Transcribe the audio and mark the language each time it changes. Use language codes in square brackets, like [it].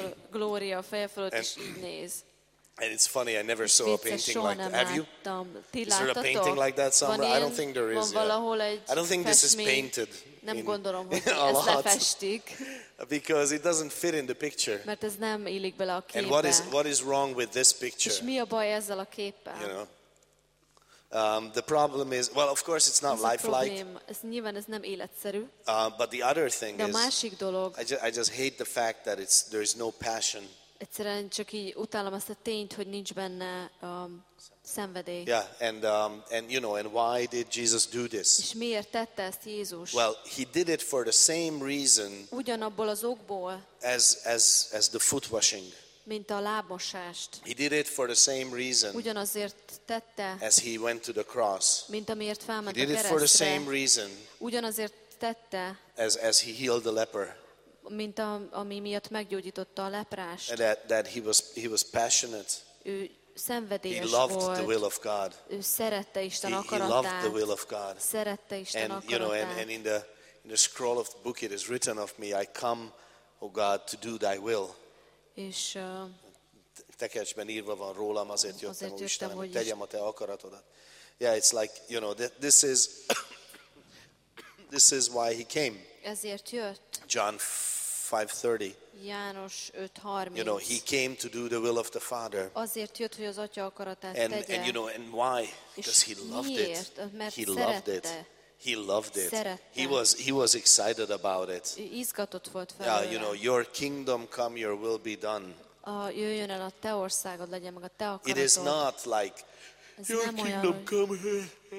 [hu] Gloria a feje fölött is így néz. [en] And it's funny, I never saw a painting like that. Have you? Is there a painting like that somewhere? I don't think there is. I don't think this is painted. [hu] Nem gondolom, hogy ezt lefestik. [en] Because it doesn't fit in the picture. [hu] Mert ez nem illik bele a képbe. [en] And what is wrong with this picture? [hu] És mi a baj ezzel a képpel? [en] You know, the problem is, well, of course, it's not lifelike. [hu] Ez nyilván ez nem életszerű. [en] But the other thing [hu] is, a másik dolog, [en] I just hate the fact that there is no passion. [hu] Egyszerűen csak így utálom azt a tényt, hogy nincs benne szenvedély. [en] Yeah, and you know, and why did Jesus do this? [hu] És miért tette ezt Jézus? [en] Well, he did it for the same reason. [hu] Ugyanabból az okból. [en] As the foot washing. [hu] Mint a lábmosást. [en] He did it for the same reason. [hu] Ugyanazért tette. [en] As he went to the cross. [hu] Mint amiért felment a keresztre. [en] He did it for the same reason. [hu] Ugyanazért tette. [en] As he healed the leper. [hu] Mint ami miatt meggyógyította a leprást. [en] That he was passionate. [hu] Ő szenvedélyes volt. [en] He loved the will of God. [hu] Ő szerette Isten akaratát. [en] He loved the will of God. [hu] Szerette Isten akaratát. [en] And you know, and in the scroll of the book it is written of me, I come, O God, to do thy will. [hu] És tekercsben írva van rólam, azért jöttem, ó Istenem, hogy tegyem a te akaratodat. [en] Yeah, it's like, you know, this is why he came. [hu] Ezért jött. [en] John 5:30. [hu] János 5:30. [en] You know, he came to do the will of the Father. [hu] Azért jött, hogy az Atya akaratát tegye. [en] And you know, and why? Because he loved it. [hu] Mert [en] he loved it. He loved it. [hu] Szerette. [en] He was excited about it. [hu] Izgatott volt felőle. [en] Yeah, you know, your kingdom come, your will be done. [hu] Jöjjön el a te országod, legyen meg a te akaratod. [en] It is not like your kingdom come here.